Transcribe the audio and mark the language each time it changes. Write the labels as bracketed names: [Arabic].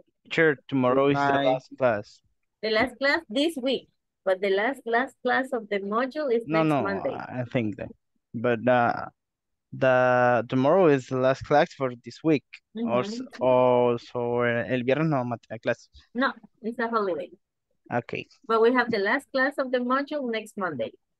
[English] Sure, tomorrow good is night. The last class. The last class this week, but the last class of the module is next Monday. I think that. But, the tomorrow is the last class for this week. Mm-hmm. [Spanish] Or el viernes no vamos a tener clases. [English] No, it's a holiday. Okay. But we have the last class of the module next Monday.